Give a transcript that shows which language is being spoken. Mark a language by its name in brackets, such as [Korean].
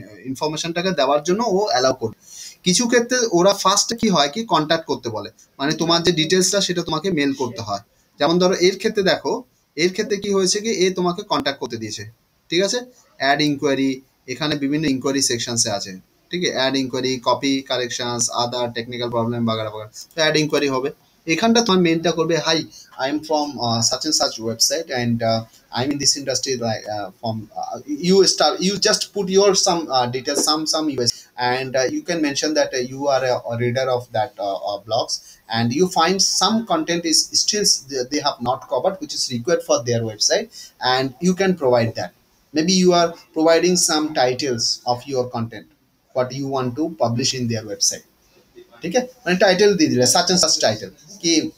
[Bangla] ইনফরমেশনটাকে দেওয়ার জন্য ও অ্যালাউ করবে, কিছু ক্ষেত্রে ওরা ফার্স্ট কি হয় কি কন্ট্যাক্ট করতে বলে, মানে তোমার যে ডিটেলসটা সেটা তোমাকে মেল করতে হয়, যেমন ধরো এর ক্ষেত্রে দেখো এর ক্ষেত্রে কি হয়েছে কি এ তোমাকে কন্ট্যাক্ট করতে দিয়েছে ঠিক আছে, অ্যাড ইনকোয়ারি এখানে বিভিন্ন ইনকোয়ারি সেকশনসে আছে [Hindi] ठीक है, add inquiry, copy corrections, other technical problem वगैरह वगैरह, तो ऐड इंक्वायरी होबे। [Bangla] এখানটা তোমার মেইনটা করবে, [English] hi I am from such and such website and I am in this industry like from you star, you just put your some details, some US and you can mention that you are reader of that blogs and you find some content is still they have not covered which is required for their website and you can provide that, maybe you are providing some titles of your content but you want to publish in their website, [Bangla] ঠিক আছে, মানে title দিয়ে দিলে such and such title কি